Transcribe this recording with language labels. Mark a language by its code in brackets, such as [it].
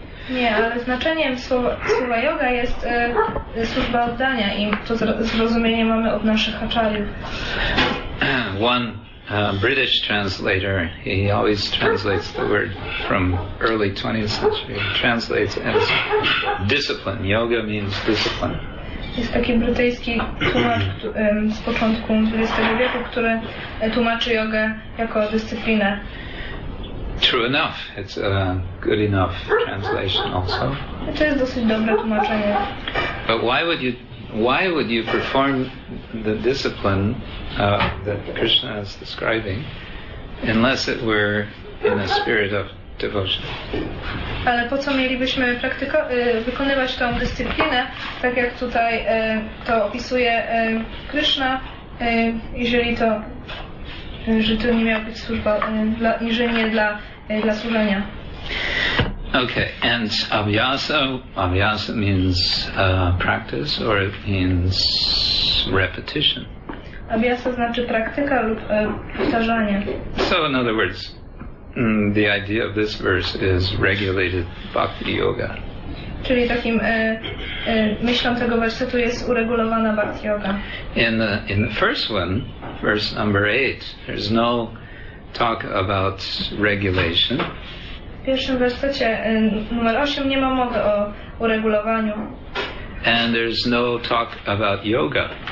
[pl] Nie, ale znaczeniem słowa yoga jest służba oddania i to zrozumienie mamy od naszych acharyów. [en] One British translator, he always translates the word from early 20th century, he translates as discipline. Yoga means discipline. [pl] Jest taki brytyjski tłumacz z początku XX wieku, który tłumaczy jogę jako dyscyplinę. [en] True enough, it's a good enough translation also. [pl] To jest dosyć dobre tłumaczenie. [en] But why would you perform the discipline that Krishna is describing unless it were in a spirit of devotion? [pl] Ale po co mielibyśmy wykonywać tą dyscyplinę, tak jak tutaj to opisuje Krishna, jeżeli to, że to nie miało być służba, jeżeli nie dla służenia. [en] Okay, and abhyasa means practice or it means repetition. [pl] Abhyasa znaczy praktyka lub powtarzanie. [en] So in other words, the idea of this verse is regulated bhakti yoga. [pl] Czyli takim myślą tego wersetu jest uregulowana bhakti yoga. [en] In the first one, verse number 8, there's no talk about regulation. [pl] W pierwszym wersecie numer 8 nie ma mowy o uregulowaniu. [en] And there's no talk about yoga.